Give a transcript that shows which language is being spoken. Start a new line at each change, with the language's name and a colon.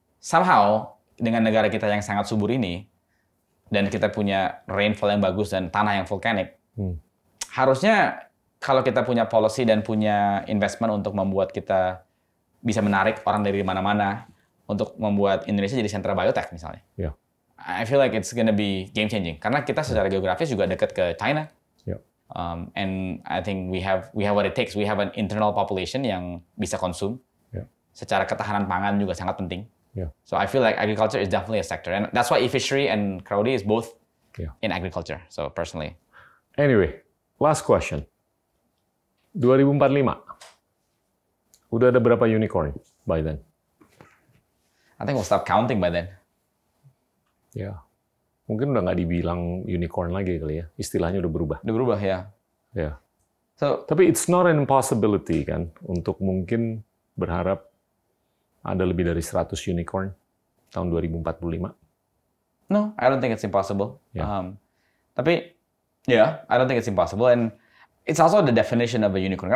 Indonesian: Somehow, dengan negara kita yang sangat subur ini, dan kita punya rainfall yang bagus dan tanah yang vulkanik, harusnya kalau kita punya policy dan punya investment untuk membuat kita bisa menarik orang dari mana-mana, untuk membuat Indonesia jadi sentra biotech misalnya. Yeah.
English: I feel like it's gonna be game changing.
Indonesian: Karena kita secara geografis juga dekat ke China. Yeah.
English: And I think we have what it takes. We have an internal population
Indonesian: yang bisa konsum. Secara ketahanan pangan juga sangat penting. Yeah.
English: So I feel like agriculture is definitely a sector, and that's why e-fishery and crowdy is both in agriculture. So personally. Anyway, last question. 2045.
Indonesian: Udah ada berapa unicorn
English: by then? I think we'll stop counting by then.
Indonesian: Yeah. Mungkin udah nggak dibilang unicorn lagi kali ya. Istilahnya udah berubah. Udah berubah ya. Yeah. So. Tapi
English: it's not an impossibility
Indonesian: kan untuk mungkin berharap ada lebih dari 100 unicorn tahun 2045.
English: No, I don't think it's impossible. Yeah. Tapi yeah, I don't think it's impossible, and it's also the definition of a unicorn.